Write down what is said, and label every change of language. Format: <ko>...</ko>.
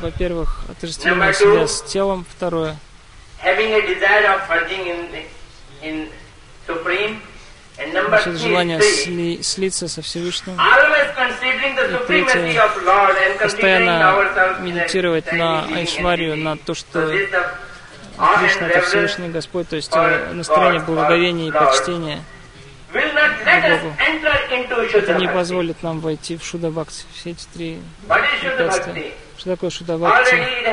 <ru>Во-первых, отождествление себя с телом. Второе.</ru> <en>Having a desire of merging in Supreme. And number three.</en> <ru>Желание слиться со Всевышним.</ru> <en>Always considering the supremacy of Lord and</en> <ru>постоянно медитировать на Айшварию, на то, что Кришна — это Всевышний Господь, то есть настроение благоговения и почтения Богу. Это не позволит нам войти в Шуддха Бхакти. Все эти три препятствия. Что такое Шуддха Бхакти?</ru>